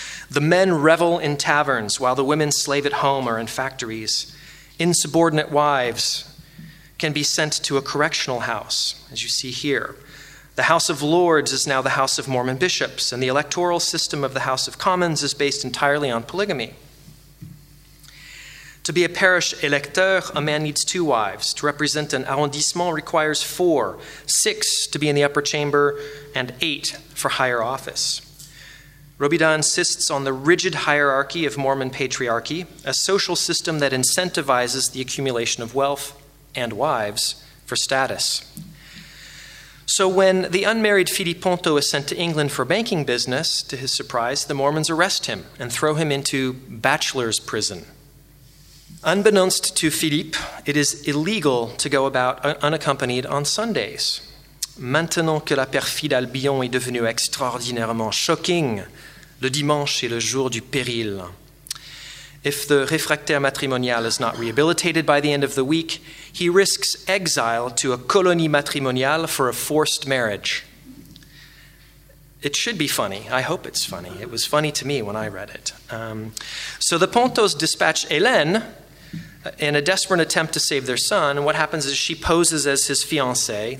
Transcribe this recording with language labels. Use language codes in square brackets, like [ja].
[en] The men revel in taverns while the women slave at home or in factories. Insubordinate wives can be sent to a correctional house, as you see here. The House of Lords is now the House of Mormon Bishops, and the electoral system of the House of Commons is based entirely on polygamy. To be a parish électeur, a man needs two wives. To represent an arrondissement requires four, six to be in the upper chamber, and eight for higher office. Robida insists on the rigid hierarchy of Mormon patriarchy, a social system that incentivizes the accumulation of wealth and wives for status. So when the unmarried Fidi Ponto is sent to England for banking business, to his surprise, the Mormons arrest him and throw him into bachelor's prison. Unbeknownst to Philippe, it is illegal to go about unaccompanied on Sundays. [fr] Maintenant que la perfide Albion est devenue extraordinairement shocking, le dimanche est le jour du péril. [en] If the [fr] réfractaire matrimonial [en] is not rehabilitated by the end of the week, he risks exile to a [fr] colonie matrimoniale [en] for a forced marriage. It should be funny. I hope it's funny. It was funny to me when I read it. So the Pontos dispatch Hélène in a desperate attempt to save their son, and what happens is she poses as his fiancée.